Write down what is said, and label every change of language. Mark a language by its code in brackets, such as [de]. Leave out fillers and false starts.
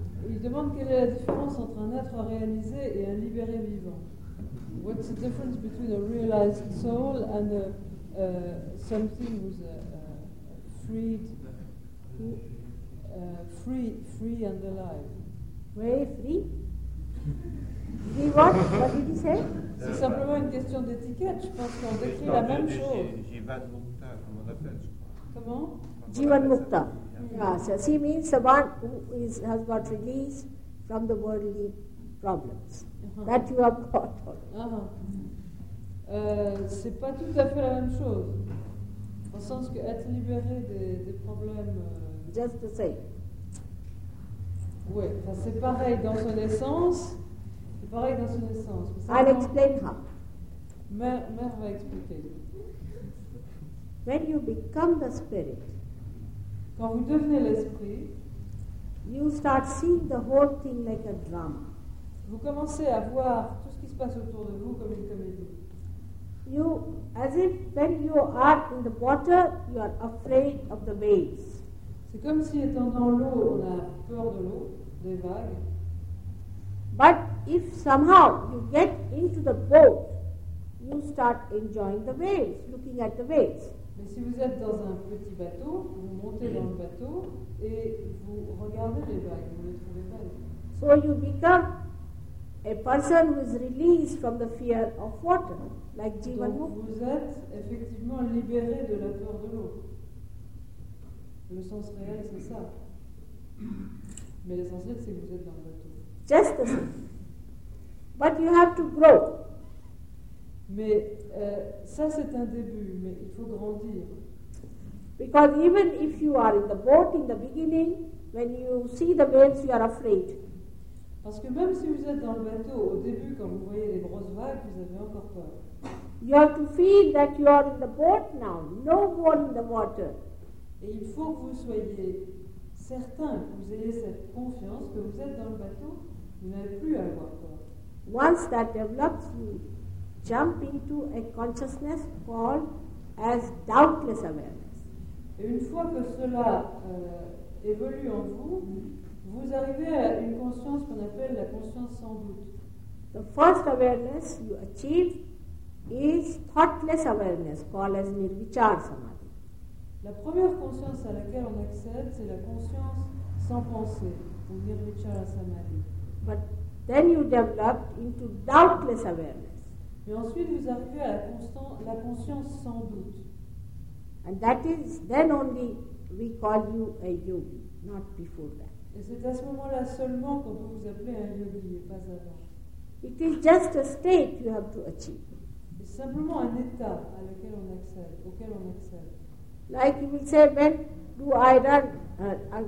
[fr] Il demande quelle est la différence entre un être réalisé et un libéré vivant. [en] What's the difference between a realized soul and something who's free and alive? Very free? Free what? What did he say? [fr] C'est simplement une question d'étiquette, je pense qu'on décrit la même chose. Jivan Mukta, comme on l'appelle, je crois. Comment? Jivan Mukta. [en] Yeah, so he means the one who is, has got released from the worldly problems. Uh-huh. That you have got already. Uh-huh. [fr] C'est pas tout à fait la même chose. Au sens que être libéré des problèmes. [en] Just the same. [fr] Oui, enfin, c'est pareil dans son essence. C'est pareil dans son essence. [en] I'll [fr] vraiment... [en] explain how. [fr] Mère va expliquer. [en] When you become the spirit, [fr] quand vous devenez l'esprit, [en] you start seeing the whole thing like a drama. [fr] Vous commencez à voir tout ce qui se passe autour de vous comme une comédie. [en] You, as if when you are in the water, you are afraid of the waves. [fr] C'est comme si étant dans l'eau, on a peur de l'eau, des vagues. [en] But if somehow you get into the boat, you start enjoying the waves, looking at the waves. [fr] Mais si vous êtes dans un petit bateau, vous montez dans le bateau et vous regardez les vagues, vous les trouvez belles. [en] So you become a person who is released from the fear of water, like Jivan Mukta. [fr] Donc vous êtes effectivement libéré de la peur de l'eau. Le sens réel, c'est ça. Mais l'essentiel, c'est que vous êtes dans le bateau. [en] Just the same. But you have to grow. [fr] Mais ça c'est un début, mais il faut grandir. [en] Because even if you are in the boat in the beginning, when you see the waves, you are afraid. [fr] Parce que même si vous êtes dans le bateau au début, quand vous voyez les grosses vagues, vous avez encore peur. [en] You have to feel that you are in the boat now, no one in the water. [fr] Et il faut que vous soyez certain, que vous ayez cette confiance que vous êtes dans le bateau, vous n'avez plus à avoir peur. [en] Once that develops, you jump into a consciousness called as doubtless awareness. [fr] Et une fois que cela évolue en vous, vous arrivez à une conscience qu'on appelle la conscience sans doute. [en] The first awareness you achieve is thoughtless awareness called as nirvichar samadhi. [fr] La première conscience à laquelle on accède, c'est la conscience sans pensée, ou nirvichar samadhi. [en] But then you develop into doubtless awareness. [fr] Mais ensuite, vous arrivez à la conscience sans doute. [en] And that is then only we call you a yogi, not before that. [fr] Et c'est à ce moment-là seulement qu'on peut vous appeler un yogi, et pas avant. [en] It is just a state you have to achieve. [fr] C'est simplement un état à laquelle on accède, auquel on accède. [en] Like you will say, when do I run?